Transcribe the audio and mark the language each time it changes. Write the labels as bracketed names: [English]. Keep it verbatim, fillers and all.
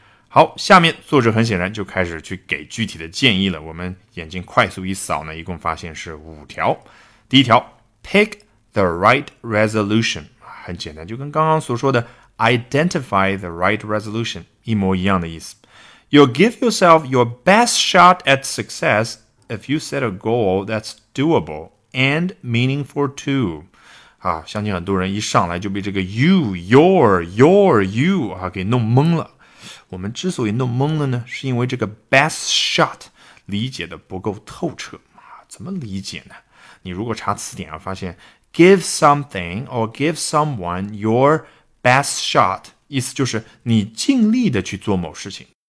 [Chinese] 好，下面作者很显然就开始去给具体的建议了。我们眼睛快速一扫呢，一共发现是五条。第一条 ， [English] pick the right resolution， [Chinese] 很简单，就跟刚刚所说的 [English] identify the right resolution [Chinese] 一模一样的意思。 [English] You give yourself your best shot at success if you set a goal that's doable and meaningful too。 [Chinese] 啊，相信很多人一上来就被这个 you your your you 啊给弄懵了。我们之所以弄懵了呢，是因为这个 best shot 理解的不够透彻啊！怎么理解呢？你如果查词典啊，发现 [English] give something or give someone your best shot， [Chinese] 意思就是你尽力的去做某事情。